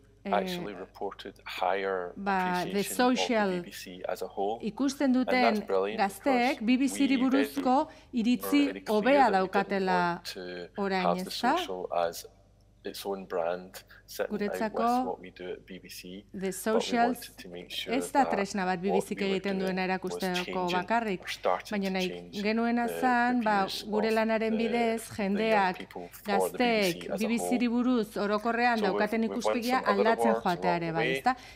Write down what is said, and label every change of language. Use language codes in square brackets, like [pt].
[en] actually reported higher appreciation of BBC as a whole. [eu] Ikusten duten gazteek BBC-ri buruzko iritzi hobea daukatela orain, ezta? [en] Its own brand, [eu] guretzako, [en] with what we do at BBC, [eu] the socials, ez da tresna bat BBC-k egiten duena erakusteko bakarrik, baina nahi genuena zan, gure lanaren bidez, jendeak, gazteek, BBC-ri buruz, orokorrean daukaten ikuspegia aldatzen joateare bai, ezta?